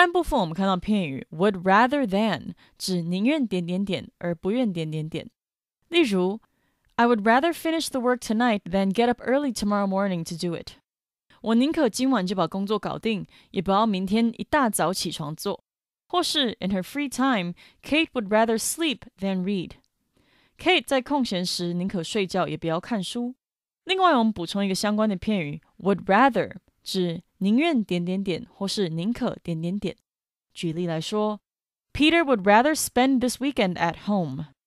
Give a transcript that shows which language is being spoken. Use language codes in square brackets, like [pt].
[zh] Would rather than 指宁愿点点点而不愿点点点。例如 [en] I would rather finish the work tonight than get up early tomorrow morning to do it. [zh] 我宁可今晚就把工作搞定也不要明天一大早起床做。或是 [en] in her free time, Kate would rather sleep than read. [zh] Kate 在空闲时宁可睡觉也不要看书。另外我们补充一个相关的片语 would rather 指宁愿点点点或是宁可点点点。举例来说 [en] Peter would rather spend this weekend at home.